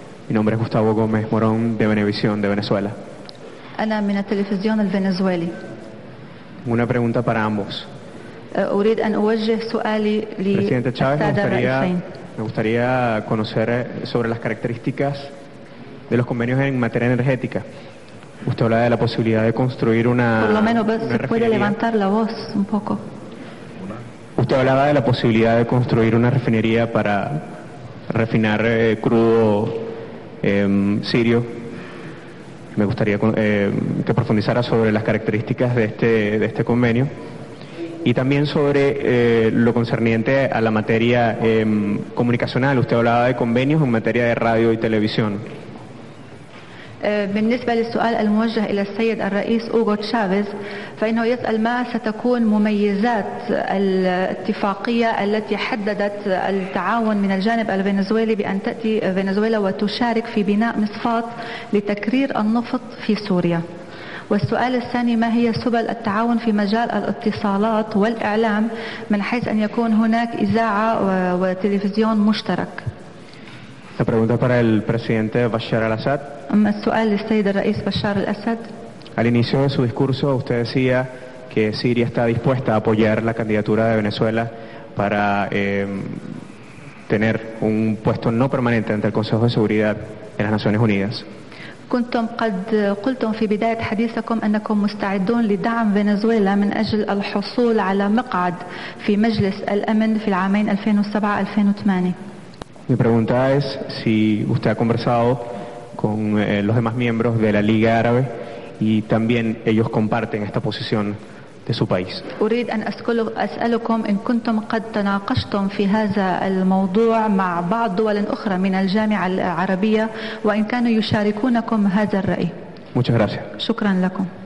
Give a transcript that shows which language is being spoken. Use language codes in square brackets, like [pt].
[es] Mi nombre es Gustavo Gómez Morón de Venevisión de Venezuela. [ar] أنا من التلفزيون الفنزويلي. [es] Una pregunta para ambos. [ar] أريد أن أوجه سؤالي [es] presidente Chávez, me gustaría conocer sobre las características de los convenios en materia energética. Usted habla de la posibilidad de construir una por lo menos pues, se puede levantar la voz un poco. Usted hablaba de la posibilidad de construir una refinería para refinar crudo sirio. Me gustaría que profundizara sobre las características de este convenio y también sobre lo concerniente a la materia comunicacional. Usted hablaba de convenios en materia de radio y televisión. [ar] بالنسبة للسؤال الموجه إلى السيد الرئيس أوغو تشافيز فإنه يسأل ما ستكون مميزات الاتفاقية التي حددت التعاون من الجانب الفنزويلي بأن تأتي فنزويلا وتشارك في بناء مصفات لتكرير النفط في سوريا. والسؤال الثاني ما هي سبل التعاون في مجال الاتصالات والإعلام من حيث أن يكون هناك إذاعة وتلفزيون مشترك. [es] La pregunta para el presidente Bashar al-Assad. [ar] السؤال للسيد الرئيس بشار الأسد. [es] Al inicio de su discurso usted decía que Siria está dispuesta a apoyar la candidatura de Venezuela para tener un puesto no permanente ante el Consejo de Seguridad de las Naciones Unidas. [ar] كنتم قد قلتم في بداية حديثكم أنكم مستعدون لدعم فنزويلا من أجل الحصول على مقعد في مجلس الأمن في العامين 2007-2008. [es] Mi pregunta es si usted ha conversado con los demás miembros de la Liga Árabe y también ellos comparten esta posición de su país. [ar] أريد أن أسألكم إن كنتم قد تناقشتم في هذا الموضوع مع بعض دول أخرى من الجامعة العربية وإن كانوا يشاركونكم هذا الرأي. [es] Muchas gracias. [ar] شكرا لكم.